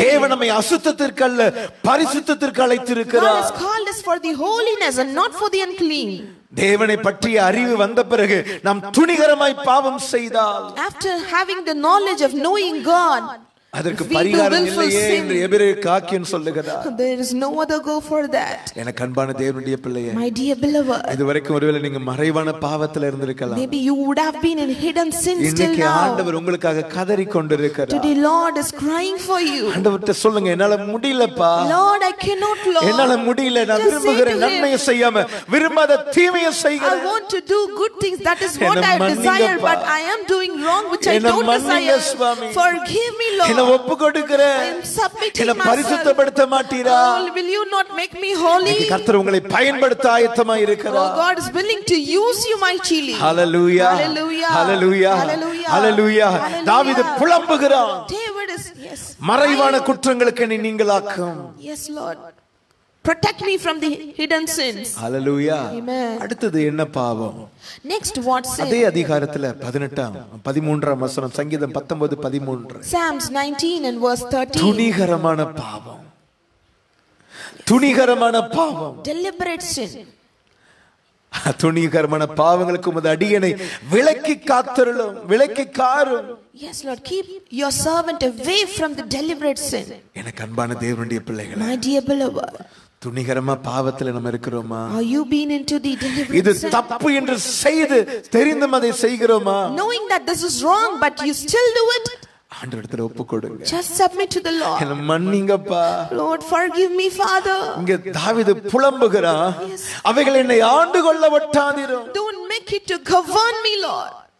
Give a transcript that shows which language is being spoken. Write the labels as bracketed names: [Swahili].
[Tamil] தேவன் நம்மை அசுத்தத்திற்கு அல்ல பரிசுத்தத்திற்கு அழைத்திருக்கிறார். [English] God has called us for the holiness and not for the unclean. [Tamil] தேவனை பற்றிய அறிவு வந்த பிறகு நாம் துணிகரமாய் பாவம் செய்தால், [English] after having the knowledge of knowing God, [Tamil] அதற்கு பரிகாரம் இல்லையே என்று எபிரேயர் காக்கியன் சொல்லுகிறார். [English] There is no other go for that. [Tamil] எனக்கு அன்பான தேவனுடைய பிள்ளையே, [English] my dear beloved, [Tamil] இதுவரைக்கும் ஒருவேளை நீங்க மறைவான பாவத்தில் இருந்திருக்கலாம். [English] Maybe you would have been in hidden sins till now. [Tamil] இன்னைக்கு ஆண்டவர் உங்களுக்காக கதறி கொண்டிருக்கிறார். [English] Today Lord is crying for you. [Tamil] ஆண்டவரே சொல்லுங்க, என்னால முடியலப்பா. [English] Lord I cannot, Lord. [Tamil] என்னால முடியல, நான் விரும்புகிற நன்மையை செய்யாம விரும்பாத தீமையை செய்கிறேன். [English] I want to do good things, that is what I desire, but I am doing wrong which I don't desire. Forgive me Lord. [Tamil] என்ன ஒப்புக்கொடுக்கிறேன், பரிசுத்தப்படுத்த மாட்டீரா? [English] Will you not make me holy? [Tamil] கர்த்தர் உங்களை பயன்படுத்த ஆயத்தமா இருக்கிறார். [English] Oh God is willing to use you mightily. Hallelujah. Hallelujah. Hallelujah. Hallelujah. [Tamil] தாவீது புலம்புகிறான். [English] David is, yes. [Tamil] மறைவான குற்றங்களுக்கு நீ நீங்கலாக்கும். [English] Yes Lord. Protect me from the hidden sins. Hallelujah. Amen. [Tamil] அடுத்தது என்ன பாவம்? [English] Next what sin? [Tamil] அதே அதிகாரத்துல 13 வசனம், சங்கீதம் 19:13. [English] Psalms 19 and verse 13. [Tamil] துணிகரமான பாவம். துணிகரமான பாவம். [English] Deliberate sin. [Tamil] துணிகரமான பாவங்களுக்கு உமது அடியனை விலக்கி காத்தருளும், விலக்கி காரும். [English] Yes Lord, keep your servant away from the deliberate sin. [Tamil] எனக்கு அன்பான தேவனுடைய பிள்ளைகளே, [English] my dear beloved, [Tamil] துணிகரமா பாவத்துல நம்ம இருக்கிறோமா? [English] Are you been into the deliberate [Tamil] இது தப்பு என்று செய்து தெரிந்தும் அதை செய்கிறோமா? [English] Knowing that this is wrong but you still do it. [Tamil] ஆண்டவரே ஒப்புக்கொடுங்க. [English] Just submit to the Lord. [Tamil] என்ன மன்னிங்கப்பா. [English] Lord forgive me Father. [Tamil] இங்க தாவீது புலம்புகிறான், அவைகள் என்னை ஆண்டு கொள்ள விட்டாதிரும். [English] Don't make it to govern me Lord.